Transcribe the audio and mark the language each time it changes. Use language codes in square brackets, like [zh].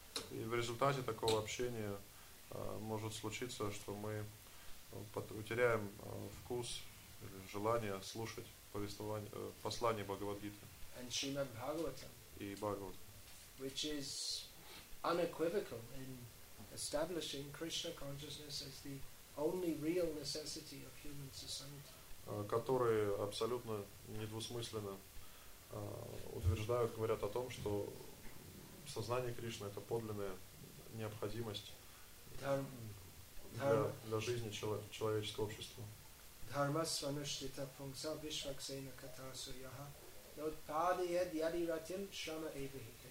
[ru] И в результате такого общения может случиться, что мы потеряем вкус или желание слушать послание Бхагавад Гиты. [en] And Shrimad Bhagavatam. [ru] И Бхагавад. [en] Which is unequivocal in establishing Krishna consciousness as the only real necessity of human society. [ru] Которые абсолютно недвусмысленно утверждают, говорят о том, что сознание Кришны это подлинная необходимость для жизни человеческого общества. [sa] Dharma svanushtita pungsa vishvaksena katasu yaha yod padiyad yadi ratim shama evahi.